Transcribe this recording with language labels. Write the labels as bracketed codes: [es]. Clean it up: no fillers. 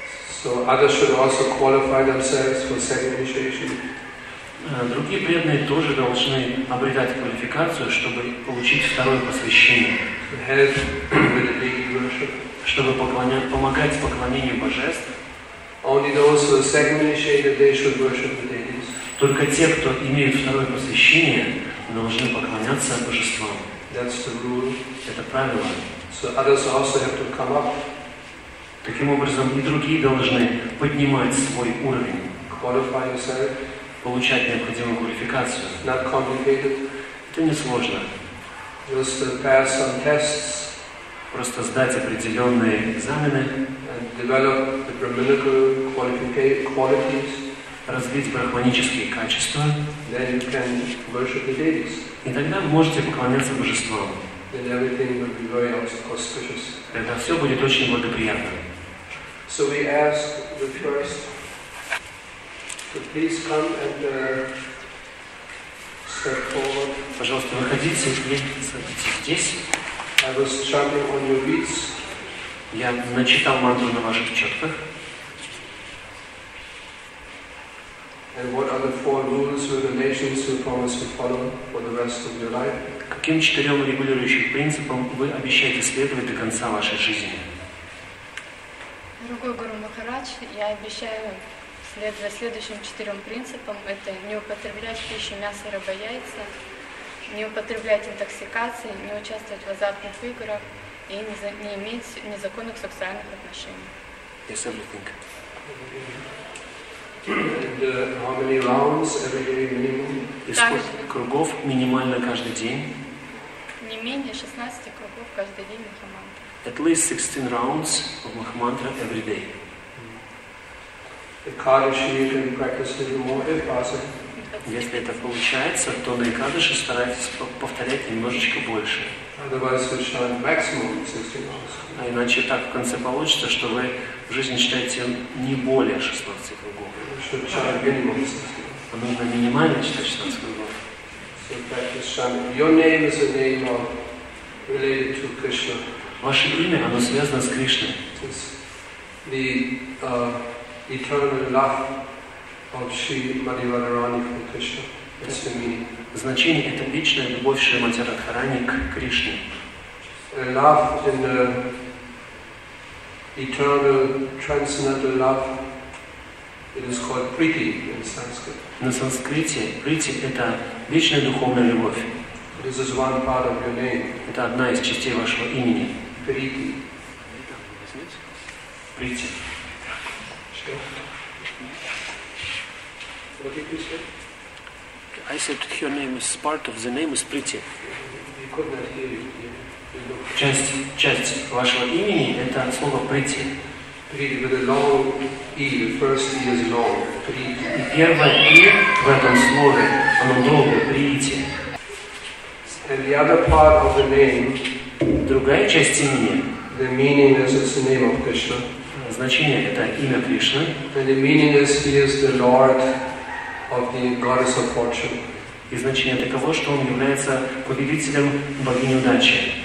[en] So others should also qualify themselves for second initiation. [ru] Другие преданные тоже должны обретать квалификацию, чтобы получить второе посвящение. [en] To help with the deity worship. [ru] Чтобы помогать в поклонении божеств. [en] Only those who are second initiated, they should worship the deities. [ru] Только те, кто имеют второе посвящение, должны поклоняться божествам. [en] That's the rule. [ru] Это правило. [en] So others also have to come up. [ru] Таким образом, и другие должны поднимать свой уровень. [en] Qualify yourself. [ru] Получать необходимую квалификацию. [en] Not complicated. [ru] Это несложно. [en] Just pass some tests. [ru] Просто сдать определенные экзамены. [en] And develop the brahminical qualities. [ru] Развить брахманические качества. [en] Then you can worship the deities. [ru] И тогда вы можете поклоняться божествам. [en] Then everything will be very auspicious. [ru] Тогда все будет очень благоприятно. [en] So we ask the first to please come and step forward. [ru] Пожалуйста, выходите и садитесь здесь. [en] I was chanting on your beads. [ru] Я начитал мантру на ваших четках. [en] And what are the four rules or regulations you promise to follow for the rest of your life? [ru] Каким четырем регулирующим принципам вы обещаете следовать до конца вашей жизни? Дорогой Гуру Махарадж, я обещаю следовать следующим четырем принципам. Это не употреблять пищу, мясо, рыба, яйца, не употреблять интоксикации, не участвовать в азартных играх и не иметь незаконных сексуальных отношений. [en] Yes, everything. And how many rounds every day minimum? [ru] И сколько кругов минимально каждый день? Не менее 16 кругов каждый день махамантра. [en] At least 16 rounds of махамантра every day. Экадаши, you can practice a little more if possible. [ru] Если это получается, то на экадаши старайтесь повторять немножечко больше. [en] Otherwise, you shall maximum 16 rounds. [ru] А иначе так в конце получится, что вы в жизни читаете не более 16 кругов. Нужно минимально читать 16 кругов. [en] So practice chanting. Your name is a name of, related to Krishna. [ru] Ваше имя, оно связано с Кришной. [en] It's the eternal love of Sri Madhivadarani from Krishna. That's the meaning. [ru] Значение – это вечная любовь Шри Мадхивадхарани к Кришне. [en] A love in the eternal transcendental love. It is called priti in Sanskrit. [ru] На санскрите priti – это вечная духовная любовь. [en] This is one part of your name. [ru] Это одна из частей вашего имени. Прити. Прити. [en] What did you say? I said your name is part of the name is Prity. You could not hear it. [ru] Часть вашего имени это слово Прити. [en] Prity with a long e. The first e is long. Prity. [ru] И первое e в этом слове оно долгое. Прити. [en] And the other part of the name. [ru] Другая часть имени. [en] The meaning is it's the name of Krishna. [ru] Значение это имя Кришны. [en] And the meaning is he is the Lord of the goddess of fortune. [ru] И значение таково, что он является повелителем богини удачи.